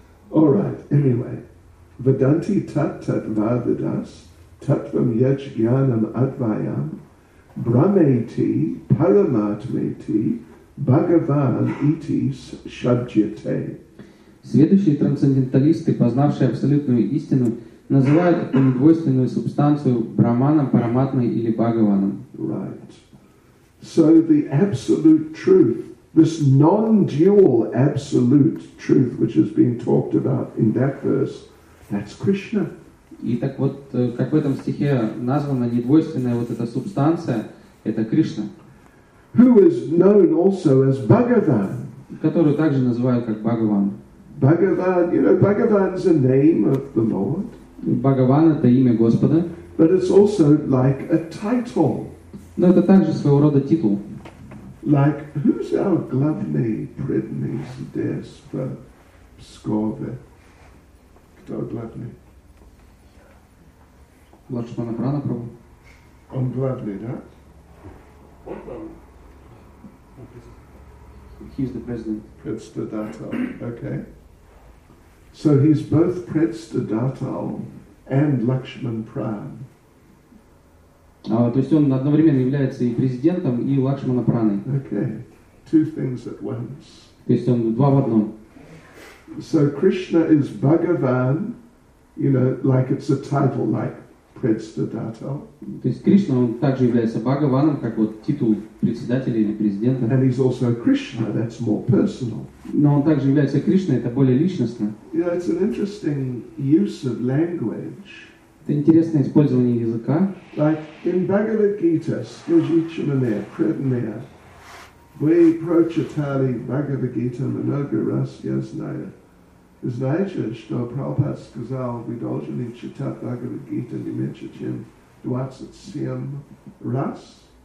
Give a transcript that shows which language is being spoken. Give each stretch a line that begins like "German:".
Sanskrit: All right, anyway. Vedanti tat tat vavidas, tatvam yaj jnanam advayam, brahmeti, paramatmeti, bhagavan iti shabjyate.
Russian: Следующие трансценденталисты, познавшие абсолютную истину, называют эту недвойственную субстанцию Брахманом, Параматмой или Бхагаваном.
English: Right. So the absolute truth, this non-dual absolute truth, which is being talked about in that verse, that's Krishna.
Russian: И так вот, как в этом стихе названа недвойственная вот эта субстанция, это Кришна.
English: Who is known also as Bhagavan.
Russian: Которую также называют как Бхагаван.
English: Bhagavan, you know, Bhagavan is a name of the Lord.
Russian: Bhagavan – это имя Господа.
English: But it's also like a title. Но это также своего рода титул. Like, who's our
Russian: главный предный здесь в Пскове? Кто главный? Лучше на Прана пробу. Он главный, да? Он там.
English: He's the president. Председател, okay. So he's both Predstadatal and Lakshman Pran.
Russian: То есть он одновременно является и президентом, и Лакшмана Праной.
English: Okay, two things at once.
Russian: То есть он два в одном.
English: So Krishna is Bhagavan, you know, like it's a title, like Predstadatal.
Russian: То есть Кришна, он также является Бхагаваном, как вот титул председателя или президента.
English: And he's also Krishna, that's more personal.
Russian: Но он также является Кришной, это более личностно.
English: You know, it's an interesting use of language.
Russian: Это интересное использование языка.
English: Like in
Russian: Bhagavad Gita, скажите мне, преданное, вы прочитали Bhagavad Gita, много раз я знаю. Знаете, что Прабхупад сказал, вы должны читать Бхагавад Гиту не меньше, чем 27 раз?